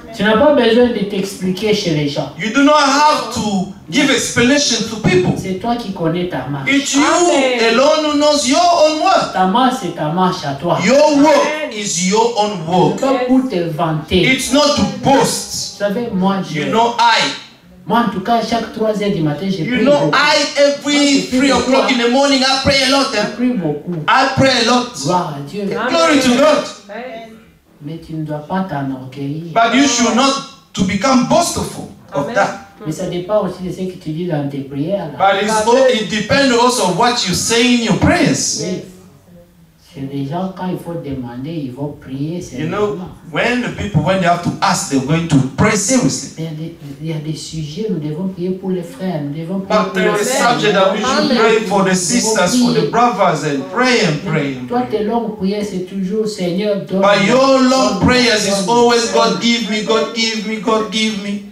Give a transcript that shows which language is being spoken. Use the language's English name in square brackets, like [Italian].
[French] Tu n'as pas besoin de t'expliquer chez les gens. [English] You do not have to give explanation to people. [French] C'est toi qui connais ta marche. [English] It's you Amen. Alone who knows your own work. [French] Ta marche, c'est ta marche à toi. [English] Your work is your own work. [French] C'est pas pour te vanter. [English] It's not to boast. [French] Tu savais, moi, je... [English] You know I. [French] Moi, en tout cas, chaque 3 heures du matin, je prie. [English] You know I every 3 o'clock in the morning, I pray a lot. [French] Je prie beaucoup. [English] I pray a lot. [French] Gloire à Dieu. [English] Glory to God. [French] Mais tu ne dois pas t'enorgueillir. [English] But you should not to become boastful of that. [French] Mais ça dépend aussi de ce que tu dis dans tes prières. [English] But it depends also on what you say in your prayers. [French] Oui. C'est des gens quand il faut demander, ils vont prier. [English] You know, when the people when they have to ask, they're going to pray seriously. [French] Il y a des sujets, nous devons prier pour les frères, nous devons prier. [English] But there is a subject that we should pray for the sisters, for the brothers, and pray and pray. [French] Toi, tes longues prières, c'est toujours Seigneur, donne. [English] But your long prayers is always God give me, God give me, God give me.